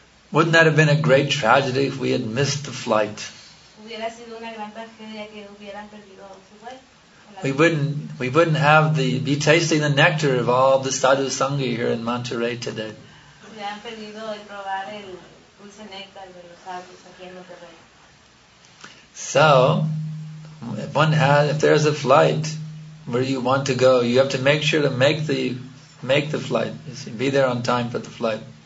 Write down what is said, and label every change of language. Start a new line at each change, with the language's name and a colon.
English: Wouldn't that have been a great tragedy if we had missed the flight?
Spanish: Hubiera sido una gran tragedia que hubieran perdido su vuelo.
English: We wouldn't have the be tasting the nectar of all the sadhu sangha here in Monterrey today.
Spanish: Se han perdido de probar el dulce néctar de los sadhus aquí en Monterrey.
English: So, if one has, if there's a flight where you want to go, you have to make sure to make the flight. You see, be there on time for the flight.